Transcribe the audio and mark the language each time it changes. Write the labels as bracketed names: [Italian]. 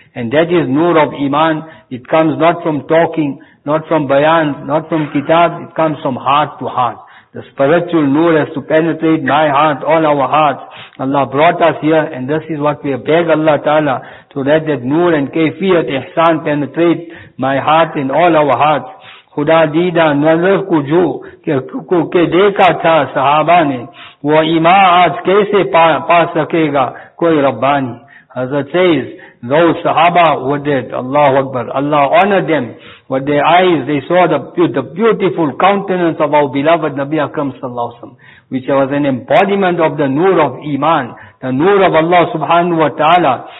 [English] And that is Noor of Iman. It comes not from talking, not from bayan, not from kitab. It comes from heart to heart. The spiritual Noor has to penetrate my heart, all our hearts. Allah brought us here, and this is what we beg Allah ta'ala, to let that Noor and kayfiyat ihsan penetrate my heart and all our hearts. [Urdu] خدا دیدا نظر کو جو کہ دیکھا تھا صحابہ نے وہ ایمان آج کیسے پا سکے گا کوئی ربانی. [English] حضرت says those صحابہ were dead, Allah Akbar, Allah honored them, with their eyes they saw the beautiful countenance of our beloved Nabi Akram sallallahu alaihi wasallam, which was an embodiment of the nur of iman, the nur of Allah subhanahu wa ta'ala.